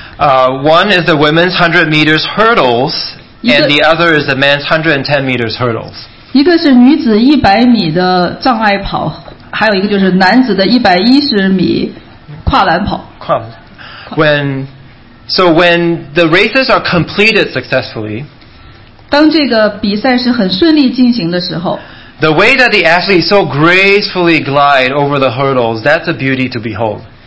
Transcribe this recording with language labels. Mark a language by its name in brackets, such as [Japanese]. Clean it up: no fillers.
[English] One is the women's 100 meters hurdles, and the other is the men's 110 meters hurdles. [Chinese] 一个是女子100米的障碍跑。还有一个就是男子的110米跨栏跑。 [English] When the races are completed successfully, [Chinese] 当这个比赛是很顺利进行的时候, [English] the way that the athletes so gracefully glide over the hurdles, that's a beauty to behold.